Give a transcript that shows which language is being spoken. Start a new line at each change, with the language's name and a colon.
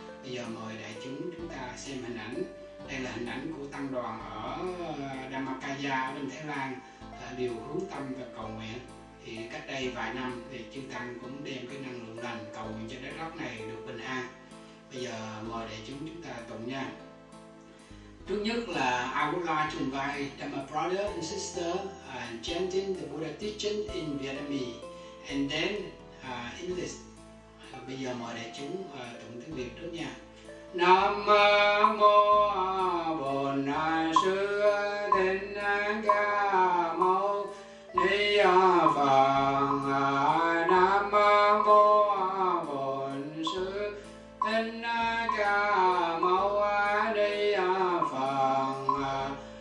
Vietnamese: Bây giờ mời đại chúng chúng ta xem hình ảnh. Đây là hình ảnh của tăng đoàn ở Dhammakaya ở bên Thái Lan, điều hướng tâm và cầu nguyện. Thì cách đây vài năm thì chư tăng cũng đem cái năng lượng lành cầu nguyện cho đất nước này được bình an. Bây giờ mời đại chúng chúng ta tụng nha. Trước nhất là
English: I would like to invite Dhamma brother and sister and chanting the Buddha teaching in Vietnamese and then English.
Vietnamese: Bây giờ mời đại chúng tụng tiếng Việt trước nha. Nam mô Bổn Sư Thích Ca Mâu Ni Phật. Nam mô Bổn Sư Thích Ca Mâu Ni Phật.